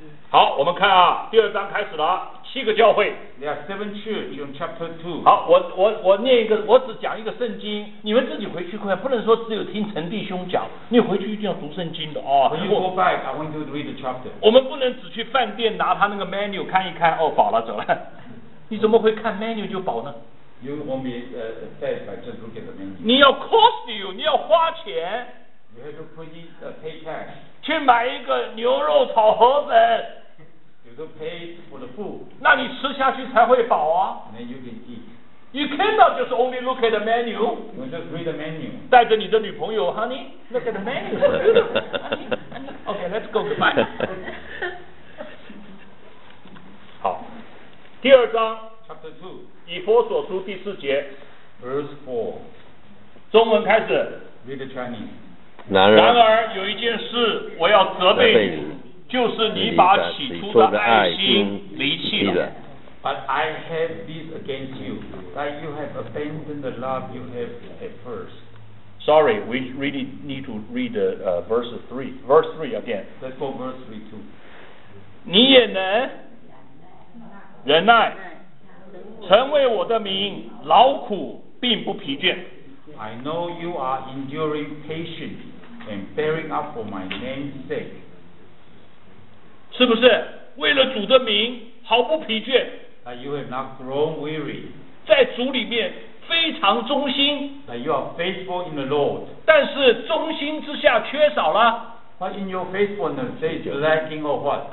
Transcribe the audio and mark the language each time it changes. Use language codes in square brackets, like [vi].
[zh] 好，我们看啊，第二章开始了，七个教会。 [en] There are seven churches in chapter two. [zh] 好，我念一个，我只讲一个圣经，你们自己回去看，不能说只有听陈弟兄讲，你回去一定要读圣经的啊。 [en] When you go back, I want you to read the chapter. [zh] 我们不能只去饭店拿他那个 menu 看一看，哦，饱了，走了。你怎么会看 menu 就饱呢？ [en] You won't be fed by just looking at the menu. [zh] 你要 [en] cost you, [zh] 你要花钱。 [en] You have to put in the pay cash. [zh] 去买一个牛肉炒河粉。 [en] Food, [zh] 那你吃下去才会饱啊。 [en] You cannot just only look at the menu. You just read the menu. [zh] 带着你的女朋友 [en] ，Honey, look at the menu. Honey, okay, let's go goodbye. [zh] 好，第二章 [en] ，Chapter Two， [zh] 以弗所书第四节 [en] ，Verse Four， [zh] 中文开始 [en] ，Read the Chinese. [zh] 然而有一件事我要责备你。就是你把起初的爱心离弃了。 [en] But I have this against you, that you have abandoned the love you have at first. Sorry, we really need to read verse 3. Verse 3 again. Let's go verse 3 too. [zh] 你也能忍耐，成为我的名，劳苦并不疲倦。 [en] I know you are enduring patience and bearing up for my name's sake. [zh] 是不是为了主的名毫不疲倦 [en] ？That you have not grown weary， [zh] 在主里面非常忠心 [en] ；That you are faithful in the Lord， [zh] 但是忠心之下缺少了 [en] ；But in your faithfulness there is lacking of what？